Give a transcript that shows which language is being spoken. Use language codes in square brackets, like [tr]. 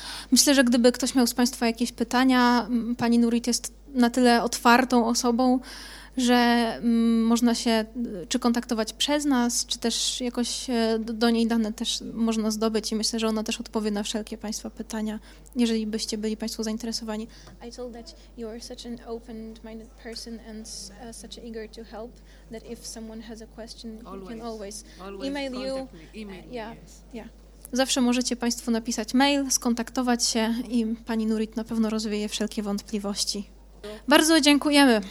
[pl] Myślę, że gdyby ktoś miał z Państwa jakieś pytania, pani Nurit jest na tyle otwartą osobą, że można się czy kontaktować przez nas, czy też jakoś do niej dane też można zdobyć i myślę, że ona też odpowie na wszelkie Państwa pytania, jeżeli byście byli Państwo zainteresowani. [en] I told that you are such an open-minded person and such eager to help that if someone has a question, you can always email you. [pl] Zawsze możecie Państwo napisać mail, skontaktować się i pani Nurit na pewno rozwieje wszelkie wątpliwości. Bardzo dziękujemy.